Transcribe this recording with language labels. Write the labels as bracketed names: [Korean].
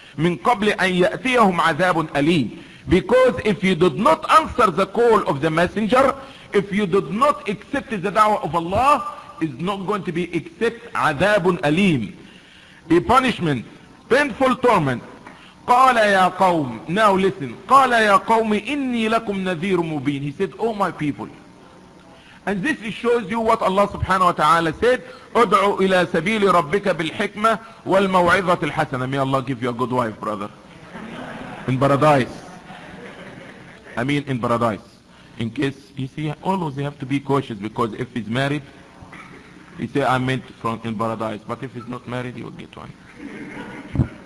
[Arabic] من قبل أن يأتيهم عذاب أليم. [English] Because if you did not answer the call of the messenger, if you did not accept the da'wah of Allah, is not going to be accept [Arabic] عذاب أليم. [English] A punishment, painful torment. [Arabic] قال يا قوم. [English] Now listen. [Arabic] قال يا قوم إني لكم نذير مبين. [English] He said, oh my people. And this shows you what Allah subhanahu wa ta'ala said, [Arabic] ادعو إلى سبيل ربك بالحكمة والموعظة الحسنة. [English] May Allah give you a good wife, brother. In paradise. I mean in paradise. In case, you see, always you have to be cautious, because if he's married, he say, I meant from in paradise. But if he's not married, he will get one.